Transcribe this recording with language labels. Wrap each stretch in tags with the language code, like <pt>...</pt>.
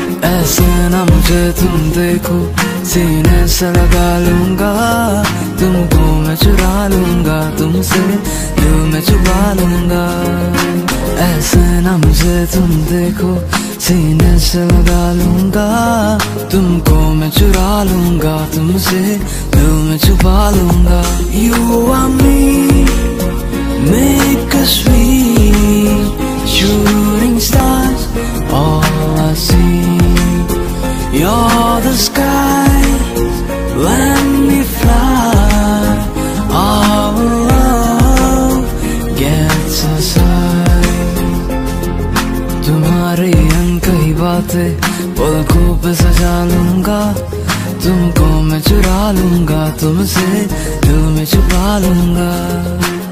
<hi>ऐसे ना मुझे तुम देखो सीने से लगा लूंगा, तुमको मैं चुरा लूंगा, तुमसे दिल में छुपा लूंगा। ऐसे ना मुझे तुम देखो सीने से लगा लूंगा, तुमको मैं चुरा लूंगा, तुमसे दिल में छुपा लूंगा।</hi> <en>You and me make a sweet shooting stars, all I see you're the sky, let me fly, our love gets us high।</en> <hi>तुम्हारी अनकही बातें पलकों पे सजा लूंगा, तुमको मैं चुरा लूंगा, तुमसे दिल में छुपा लूंगा।</hi>